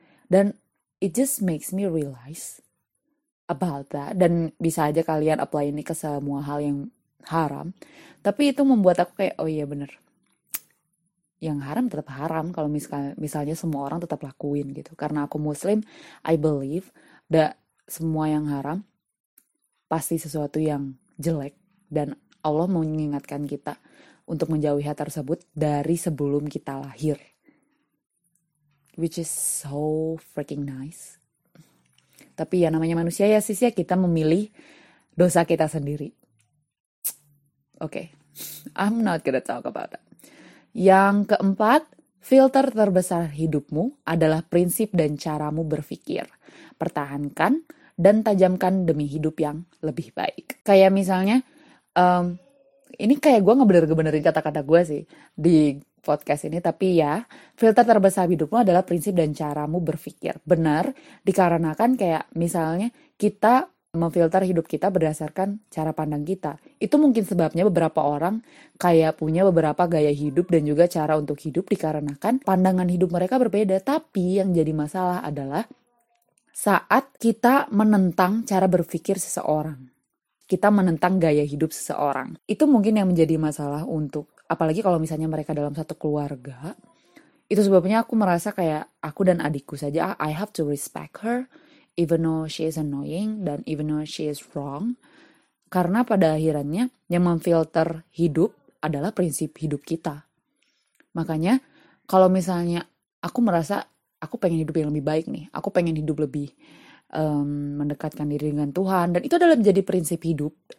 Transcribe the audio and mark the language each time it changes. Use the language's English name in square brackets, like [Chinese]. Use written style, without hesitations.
[English] Dan it just makes me realize about that. [Indonesian] Dan bisa aja kalian apply ini ke semua hal yang haram. Tapi itu membuat aku kayak, oh iya bener. Yang haram tetap haram kalau misalnya semua orang tetap lakuin gitu. Karena aku muslim, [English] I believe that [Indonesian] semua yang haram pasti sesuatu yang jelek. Dan Allah mengingatkan kita untuk menjauhi hal tersebut dari sebelum kita lahir. [English] Which is so freaking nice. [Indonesian] Tapi ya namanya manusia ya sis ya, kita memilih dosa kita sendiri. Oke, okay. [English] I'm not gonna talk about that. [Indonesian] Yang keempat, filter terbesar hidupmu adalah prinsip dan caramu berpikir. Pertahankan dan tajamkan demi hidup yang lebih baik. Kayak misalnya, ini kayak gue ngebener-ngebenerin kata-kata gue sih di podcast ini. Tapi ya, filter terbesar hidupmu adalah prinsip dan caramu berpikir. Benar, dikarenakan kayak misalnya kita memfilter hidup kita berdasarkan cara pandang kita. Itu mungkin sebabnya beberapa orang kayak punya beberapa gaya hidup dan juga cara untuk hidup dikarenakan pandangan hidup mereka berbeda. Tapi yang jadi masalah adalah saat kita menentang cara berpikir seseorang, kita menentang gaya hidup seseorang, itu mungkin yang menjadi masalah untuk, apalagi kalau misalnya mereka dalam satu keluarga. Itu sebabnya aku merasa kayak aku dan adikku saja, [English] I have to respect her even though she is annoying dan even though she is wrong. [Indonesian] Karena pada akhirnya yang memfilter hidup adalah prinsip hidup kita. Makanya kalau misalnya aku merasa aku pengen hidup yang lebih baik nih, aku pengen hidup lebih mendekatkan diri dengan Tuhan, dan itu adalah menjadi prinsip hidup.